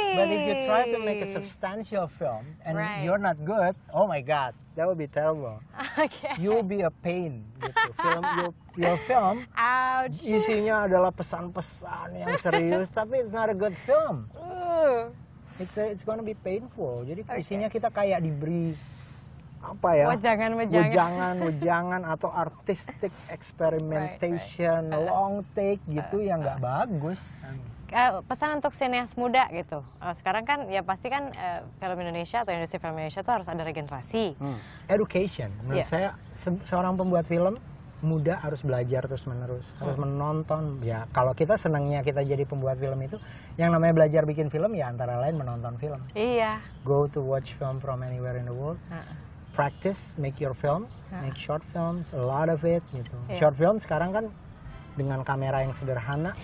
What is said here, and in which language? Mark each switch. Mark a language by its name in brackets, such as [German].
[English] But if you try to make a substantial film and you're not good, oh my God, that would be terrible. Okay. You'll be a pain. Gitu. Film, your film, ouch. [Indonesian] Isinya adalah pesan-pesan yang serius, tapi [English] it's not a good film. It's gonna be painful. [Indonesian] Jadi isinya kita kayak diberi apa ya? Wajangan atau artistic experimentation, long take gitu yang nggak bagus. Pesan untuk sineas muda gitu. Sekarang kan ya pasti kan film Indonesia atau industri film Indonesia itu harus ada regenerasi. Education. Menurut saya seorang pembuat film muda harus belajar terus-menerus. Harus menonton. Ya kalau kita senangnya kita jadi pembuat film itu, yang namanya belajar bikin film ya antara lain menonton film. Iya. [English] Go to watch film from anywhere in the world. Practice, make your film, make short films, a lot of it gitu. Yeah. [Indonesian] Short film sekarang kan dengan kamera yang sederhana.